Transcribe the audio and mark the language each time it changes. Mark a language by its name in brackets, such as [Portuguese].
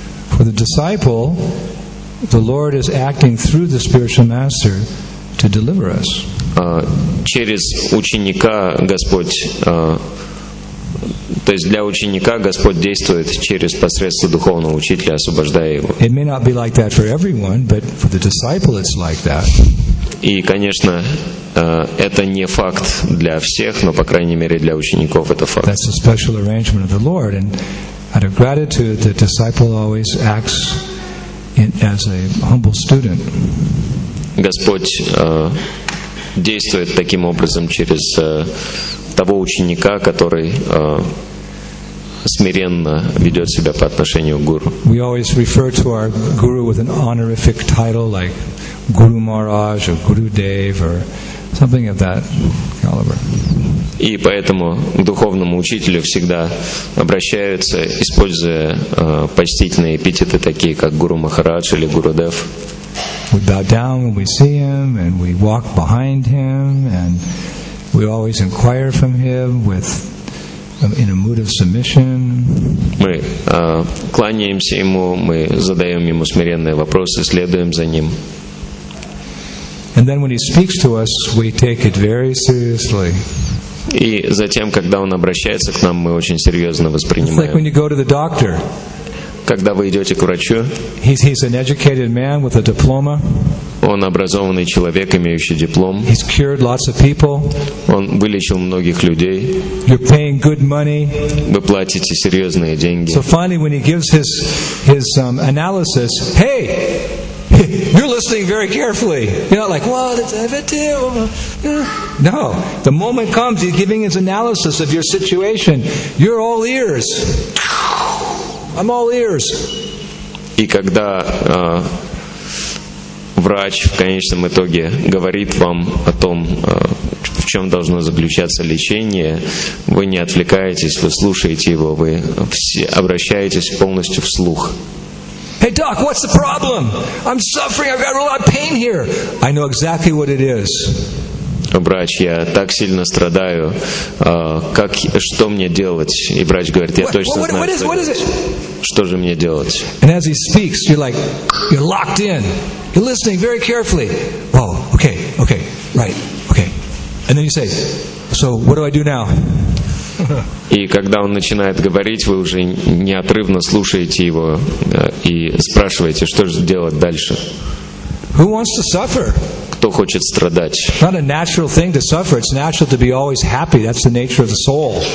[English] For the disciple, the Lord is acting through the spiritual master to deliver us. [Russian] Через ученика Господь, то есть для ученика Господь действует через посредство духовного учителя, освобождая его. [English] It may not be like that for everyone, but for the disciple it's like that. [Russian] И, конечно, это не факт для всех, но, по крайней мере, для учеников это факт. [English] That's a special arrangement of the Lord, and out of gratitude, the disciple always acts as a humble student. [Russian] Господь действует таким образом через того ученика, который смиренно ведет себя по отношению к гуру. [English] We always refer to our guru with an honorific title like Guru Maharaj or Guru Dev or something of that caliber. [Russian] И поэтому к духовному учителю всегда обращаются, используя почтительные эпитеты, такие как Гуру Махарадж или Гуру Дев. [English] We bow down when we see him, and we walk behind him, and we always inquire from him with in a mood of submission. [Russian] Мы кланяемся ему, мы задаем ему смиренные вопросы, следуем за ним. [English] And then when he speaks to us, we take it very seriously. [Russian] И затем, когда он обращается к нам, мы очень серьезно воспринимаем. [English] It's like when you go to the doctor. [Russian] Когда вы идете к врачу, [English] he's an educated man with a diploma. [Russian] Он образованный человек, имеющий диплом. [English] He's cured lots of people. [Russian] Он вылечил многих людей. [English] You're paying good money. [Russian] Вы платите серьезные деньги. [English] So finally, when he gives his analysis, hey, you're listening very carefully. You're not like, wow, that's a bit too. No, the moment comes, he's giving his analysis of your situation. You're all ears. I'm all ears. [Russian] И когда врач в конечном итоге говорит вам о том, в чем должно заключаться лечение, вы не отвлекаетесь, вы слушаете его, вы обращаетесь полностью вслух. [English] Hey doc, what's the problem? I'm suffering. I've got a lot of pain here. I know exactly what it is. [Russian] Врач, я так сильно страдаю. Как, что мне делать? И врач говорит, я точно знаю. Что же мне делать? [English] And as he speaks, you're like, you're locked in. You're listening very carefully. Oh, okay, okay, right, okay. And then you say, so what do I do now? [Russian] И когда он начинает говорить, вы уже неотрывно слушаете его и спрашиваете, что же делать дальше. [English] Who wants to suffer? [Russian] Кто хочет страдать? [English] Not a natural thing to suffer. It's natural to be always happy. That's the nature of the soul.